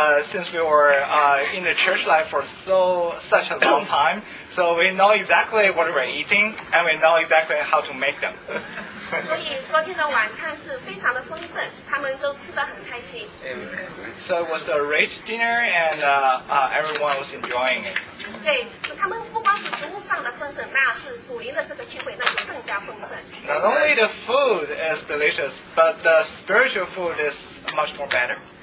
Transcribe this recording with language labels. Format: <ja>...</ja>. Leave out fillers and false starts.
<en>since we were in the church life for such a long time, so we know exactly what we're eating and we know exactly how to make them.</en> <zh>所以昨天的晚餐是非常的丰盛，他们都吃得很开心。</zh> <en>So it was a rich dinner and everyone was enjoying it.</en> <zh>对，他们不光是食物上的丰盛，那是属灵的这个聚会，那就更加丰盛。</zh> <en>Not only the food is delicious, but the spiritual food is much more better.</en>